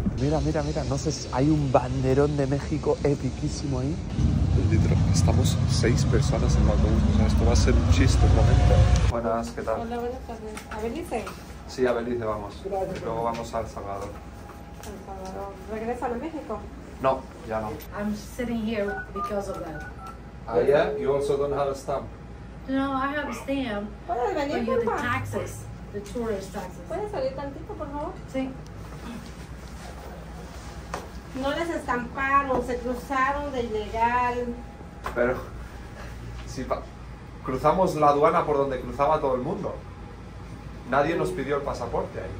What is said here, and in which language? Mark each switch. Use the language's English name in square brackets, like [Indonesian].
[Spanish] Mira, no sé si hay un banderón de México epiquísimo ahí. Literal, estamos 6 personas en autobús. O sea, esto va a ser un chiste, un momento. Buenas, ¿qué tal? Hola, buenas tardes. ¿A Belice? Sí, a Belice vamos. Gracias. Luego vamos a El Salvador. ¿El Salvador? ¿Regresa a México? No, ya no. [English] I'm sitting here because of that. Ah, yeah? You also don't have a stamp. No, I have a stamp. [Spanish] ¿Puedes venir, [English] for you, the taxes, the tourist taxes. [Spanish] ¿Puedes salir tantito, por favor? Sí. No les estamparon, se cruzaron de ilegal. Pero si cruzamos la aduana por donde cruzaba todo el mundo. Nadie nos pidió el pasaporte ahí.